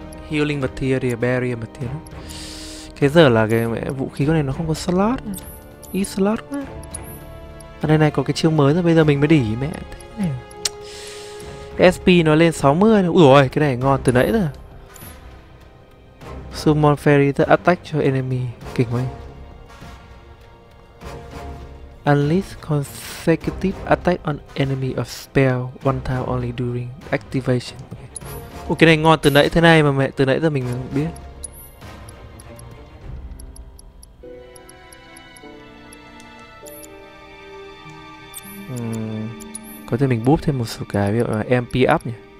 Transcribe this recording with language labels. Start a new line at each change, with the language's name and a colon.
English: Healing material, barrier material.
Vietnamese: Thế giờ là cái vũ khí con này nó không có slot. Ít slot quá. Ở đây này có cái chiêu mới rồi, bây giờ mình mới để ý mẹ. Thế này. SP nó lên 60. Ủa rồi, cái này ngon từ nãy rồi.
English: Summon Fairy to attack cho enemy.
Vietnamese: Kinh quá.
English: Unleash consecutive attack on enemy of spell one time only during activation.
Vietnamese: Ủa cái này ngon từ nãy thế này mà mẹ, từ nãy giờ mình không biết. Có thể mình boost thêm một số cái, ví dụ là MP up nhỉ.